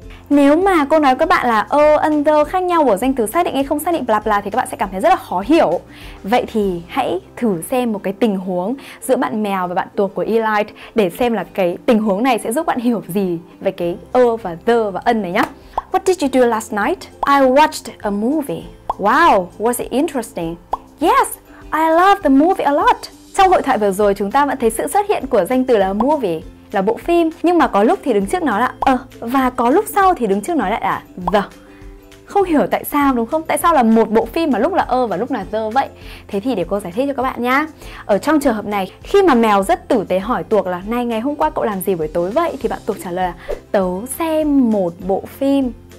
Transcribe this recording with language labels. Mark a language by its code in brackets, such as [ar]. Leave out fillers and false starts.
[vi] Nếu mà cô nói các bạn là ơ, ân, the khác nhau ở danh từ xác định hay không xác định bla bla thì các bạn sẽ cảm thấy rất là khó hiểu. Vậy thì hãy thử xem một cái tình huống giữa bạn mèo và bạn tuộc của Elite để xem là cái tình huống này sẽ giúp bạn hiểu gì về cái ơ và the và ân này nhá. [en] What did you do last night? I watched a movie. Wow, was it interesting? Yes, I love the movie a lot. [vi] Trong hội thoại vừa rồi chúng ta vẫn thấy sự xuất hiện của danh từ là movie, là bộ phim, nhưng mà có lúc thì đứng trước nó là ơ, và có lúc sau thì đứng trước nó lại là the. Không hiểu tại sao đúng không? Tại sao là một bộ phim mà lúc là ơ và lúc là the vậy? Thế thì để cô giải thích cho các bạn nhá. Ở trong trường hợp này, khi mà mèo rất tử tế hỏi tuộc là này ngày hôm qua cậu làm gì buổi tối vậy? Thì bạn tuộc trả lời là tớ xem một bộ phim.